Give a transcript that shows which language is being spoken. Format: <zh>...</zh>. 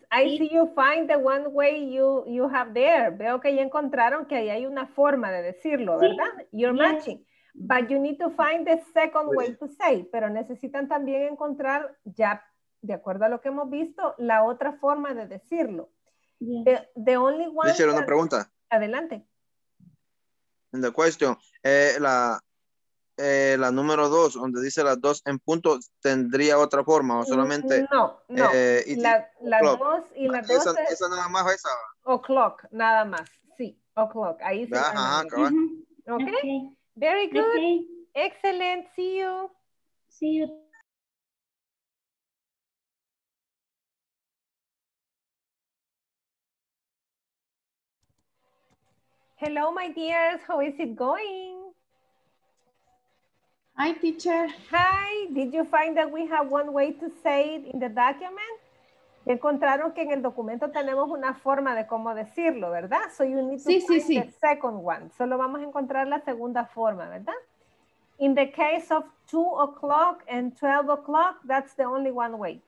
<en>I see you find the one way you have there.</en> <es>Veo que ya encontraron que ahí hay una forma de decirlo, ¿verdad?</es> <en>You're matching. But you need to find the second way to say. Pero necesitan también encontrar ya, de acuerdo a lo que hemos visto, la otra forma de decirlo. Yes. The only one...</en> <es>Teacher, una pregunta. Adelante.</es> <en>In the question,</en> <es>la número 2, donde dice las 2 en punto, ¿tendría otra forma o solamente...? No, no. Las 2 y las 2 Esa nada más, esa. O'clock, nada más. Sí, o'clock. Ahí se... Ajá, ajá, cabal. Okay.</es> <en>Okay. Very good. Okay. Excellent. See you. See you. Hello, my dears. How is it going? Hi, teacher. Hi. Did you find that we have one way to say it in the document?</en> <es>Encontraron que en el documento tenemos una forma de cómo decirlo, ¿verdad?</es> <en>So you need to find the second one.</en> <es>Solo vamos a encontrar la segunda forma, ¿verdad?</es> <en>In the case of 2 o'clock and 12 o'clock, that's the only one way.</en>